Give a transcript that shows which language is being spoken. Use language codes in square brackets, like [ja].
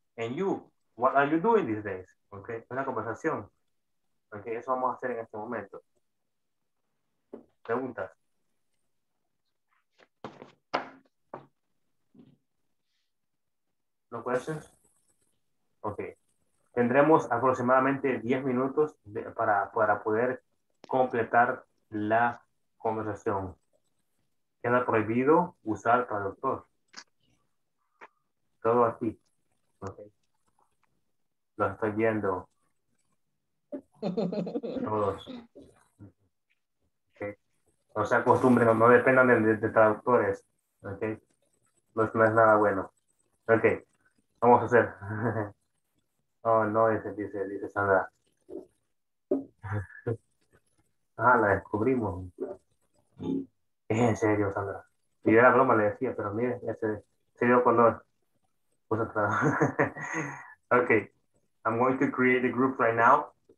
[en] And you, what are you doing these days? [es] Ok, una conversación. Ok, eso vamos a hacer en este momento. Preguntas. [en] No questions. [es] Ok, tendremos aproximadamente 10 minutos para poder completar la conversación. Queda prohibido usar traductor. Todo así. Ok. Lo estoy viendo. Todos. Okay. No se acostumbren, no dependan de traductores. Ok. No es nada bueno. Ok. Vamos a hacer. Oh, no, dice Sandra. Ah, la descubrimos. Es en serio, Sandra. Y yo era broma, le decía, pero mire, ese se dio color. Puso otra. Ok. [en] I'm going to create a group right now.